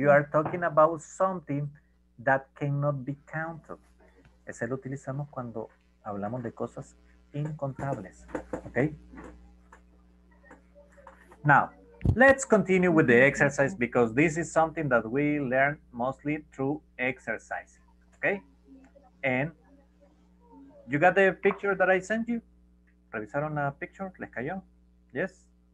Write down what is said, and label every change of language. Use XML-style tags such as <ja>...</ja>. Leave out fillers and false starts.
<en>you are talking about something that cannot be counted.</en> <es>Ese lo utilizamos cuando hablamos de cosas incontables.</es> <en>Okay. Now, let's continue with the exercise because this is something that we learn mostly through exercise. Okay. And you got the picture that I sent you?</en> <es>¿Revisaron la picture? ¿Les cayó?</es> <en>Yes.</en>